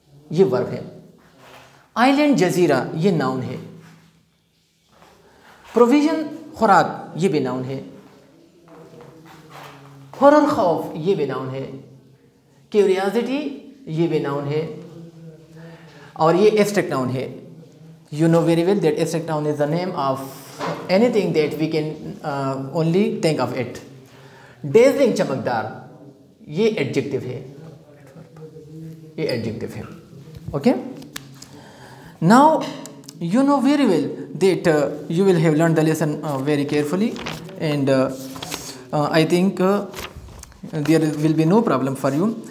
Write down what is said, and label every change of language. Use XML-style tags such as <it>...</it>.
<ur>یہ ورب ہے. آئی لینڈ جزیرہ یہ ناؤن ہے. پروویژن خوراک یہ بھی ناؤن ہے. ہرر خوف یہ بھی ناؤن ہے. کیوریازٹی یہ بھی ناؤن ہے اور یہ ایبسٹریکٹ ناؤن ہے.</ur> <en>You know very well that abstract noun is the name of anything that we can only think of it.</en> <ur>ڈیزلنگ چمکدار یہ ایڈجیکٹیو ہے. یہ ایڈجیکٹیو ہے. Okay now you know very well that you will have learn the lesson very carefully and I think</ur> <en>there will be no problem for you.</en>